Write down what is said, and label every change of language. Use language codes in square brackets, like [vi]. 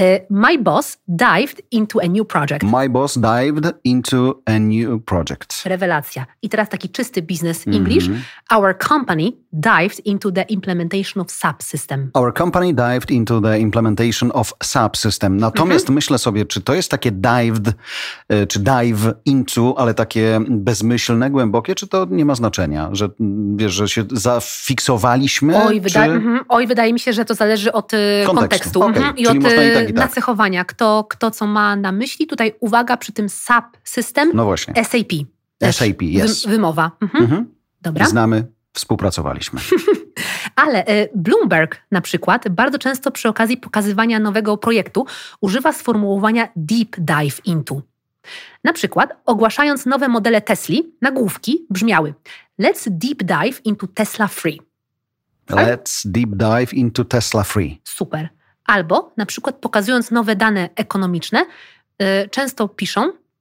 [en] My boss dived into a new project. My boss dived into a new project. [pl] Rewelacja. I teraz taki czysty business English. Mm-hmm. [en] Our company dived into the implementation of SAP system. Our company dived into the implementation of SAP system. [pl] Natomiast myślę sobie, czy to jest takie dived, czy dive into, ale takie bezmyślne, głębokie, czy to nie ma znaczenia, że wiesz, że się zafiksowaliśmy? Oj, wydaje mi się, że to zależy od kontekstu. [en] Okay. [pl] I czyli od i nacechowania. Kto co ma na myśli? Tutaj uwaga przy tym SAP system. No właśnie. [en] SAP. SAP, yes. [pl] Wymowa. Dobra. Znamy, współpracowaliśmy. Ale Bloomberg na przykład bardzo często przy okazji pokazywania nowego projektu używa sformułowania deep dive into. Na przykład ogłaszając nowe modele Tesli, nagłówki brzmiały [en] let's deep dive into Tesla Free. Let's deep dive into Tesla Free. [pl] Super. Albo na przykład pokazując nowe dane ekonomiczne, często piszą.